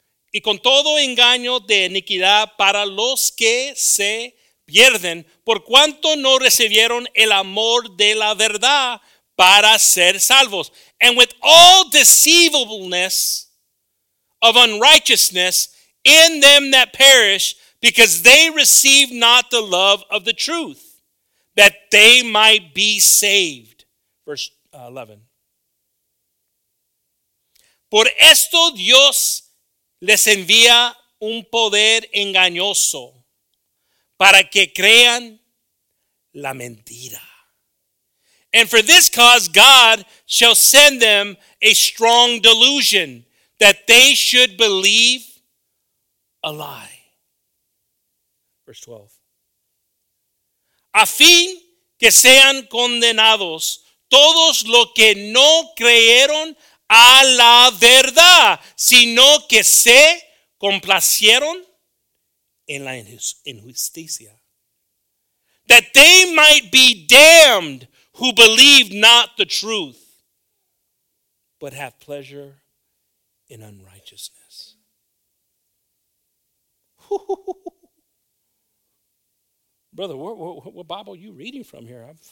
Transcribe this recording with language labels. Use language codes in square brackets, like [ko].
[es] y con todo engaño de iniquidad para los que se pierden, por cuanto no recibieron el amor de la verdad para ser salvos. [en] And with all deceivableness of unrighteousness in them that perish, because they receive not the love of the truth, that they might be saved. Verse 11. [es] Por esto Dios les envía un poder engañoso para que crean la mentira. [en] And for this cause God shall send them a strong delusion that they should believe a lie. Verse 12. [es] A fin que sean condenados todos los que no creyeron a la verdad, sino que se complacieron en la injusticia. [en] That they might be damned who believe not the truth, but have pleasure in unrighteousness. Brother, what Bible are you reading from here?